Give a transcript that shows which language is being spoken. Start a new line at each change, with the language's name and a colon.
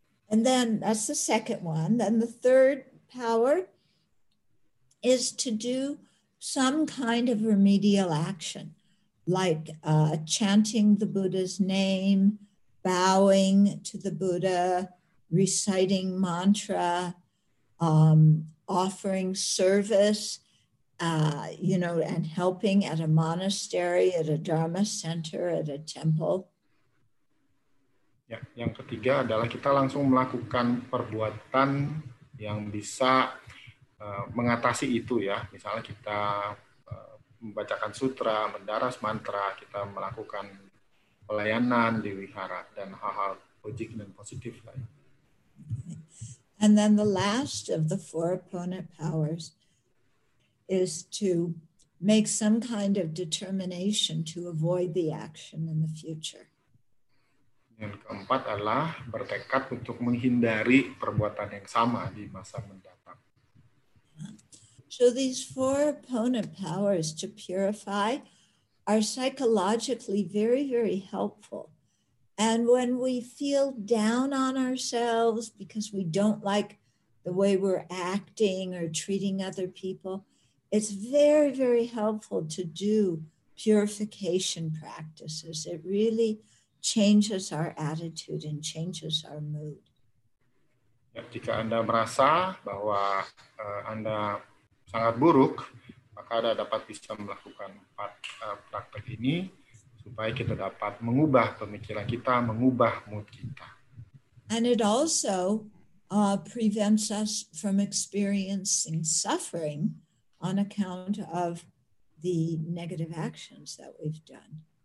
English: And then that's the second one. Then the third power is to do some kind of remedial action, like chanting the Buddha's name, bowing to the Buddha, reciting mantra, offering service, you know, and helping at a monastery, at a Dharma center, at a temple.
Indonesian: Ya, yang ketiga adalah kita langsung melakukan perbuatan yang bisa mengatasi itu ya. Misalnya kita membacakan sutra, mendaras mantra, kita melakukan pelayanan di wihara dan hal-hal logik dan positif lain.
English: And then the last of the four opponent powers is to make some kind of determination to avoid the action in the future.
Indonesian: Yang keempat adalah bertekad untuk menghindari perbuatan yang sama di masa mendatang.
English: So these four opponent powers to purify are psychologically very, very helpful. And when we feel down on ourselves because we don't like the way we're acting or treating other people, it's very, very helpful to do purification practices. It really changes our attitude and changes our mood.
Indonesian: Ya, jika Anda merasa bahwa Anda sangat buruk, maka Anda dapat bisa melakukan empat praktek ini supaya kita dapat mengubah pemikiran kita, mengubah mood kita.
English: And it also prevents us from experiencing suffering on account of the negative actions that we've done.